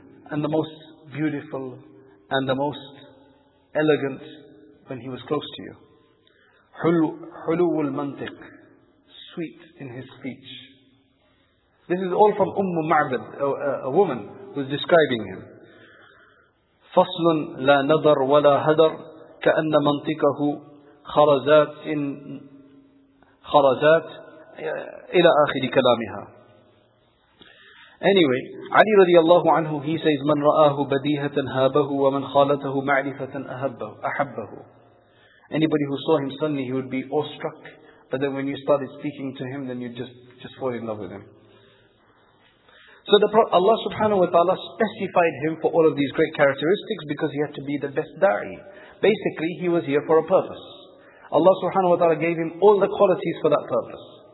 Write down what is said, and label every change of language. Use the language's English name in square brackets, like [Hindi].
[English] And the most beautiful and the most elegant when he was close to you. [Arabic] حُلُوُ الْمَنْتِقِ, [English] sweet in his speech. This is all from Ummu Ma'bad, a woman who's describing him. [Arabic] فصل لا نظر ولا هدر كأن منطقه خرزات إن خرزات إلى آخر كلامها. [English] Anyway, Ali radiallahu anhu, he says, [Arabic] من رآه بديهة هابه ومن خالته معرفة أحبه. [English] Anybody who saw him suddenly, he would be awestruck. But then when you started speaking to him, then you just fall in love with him. So Allah subhanahu wa ta'ala specified him for all of these great characteristics because he had to be the best da'i. Basically, he was here for a purpose. Allah subhanahu wa ta'ala gave him all the qualities for that purpose.